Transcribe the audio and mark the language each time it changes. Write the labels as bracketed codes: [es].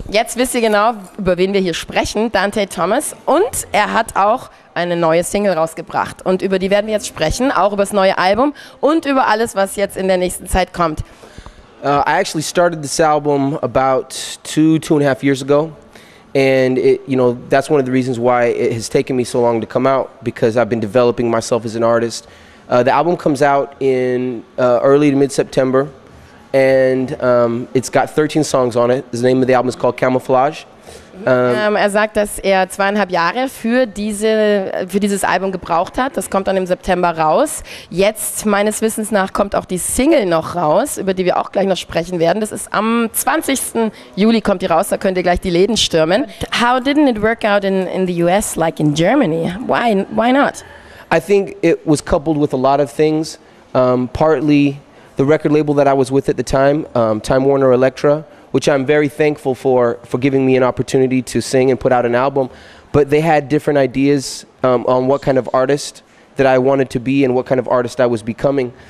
[de] Jetzt wisst ihr genau, über wen wir hier sprechen, Dante Thomas. Und er hat auch eine neue Single rausgebracht. Und über die werden wir jetzt sprechen, auch über das neue Album und über alles, was jetzt in der nächsten Zeit kommt. [en] I actually started this album about two and a half years ago. And, it, you know, that's one of the reasons why it has taken me so long to come out, because I've been developing myself as an artist. The album comes out in early to mid-September. And it's got 13 songs on it. The name of the album is called Camouflage. [de] Er sagt, dass er 2,5 Jahre für dieses Album gebraucht hat. Das kommt dann im September raus. Jetzt, meines Wissens nach, kommt auch die Single noch raus, über die wir auch gleich noch sprechen werden. Das ist am 20. Juli kommt die raus, da könnt ihr gleich die Läden stürmen. [en] How didn't it work out in the US like in Germany? Why not? I think it was coupled with a lot of things. Partly the record label that I was with at the time, Time Warner Elektra, which I'm very thankful for giving me an opportunity to sing and put out an album, but they had different ideas on what kind of artist that I wanted to be and what kind of artist I was becoming.